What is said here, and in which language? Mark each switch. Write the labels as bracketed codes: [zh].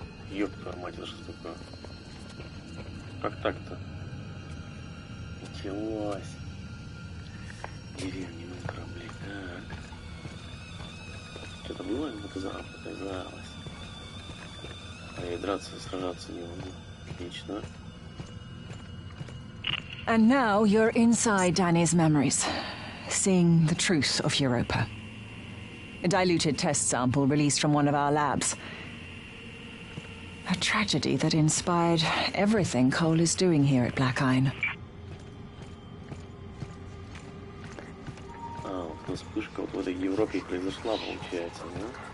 [ru] Ёб твою мать, это что такое? Как так-то? Началось. Деревня, мой корабль, так. Что-то было, не показалось? Показалось. А я и драться, и сражаться не могу. Отлично. [en] And now you're inside Danny's memories, seeing the truth of Europa. A diluted test sample released from one of our labs. A tragedy that inspired everything Cole is doing here at Black Iron. [ru] А, вот эта вспышка вот в этой Европе произошла, получается, да?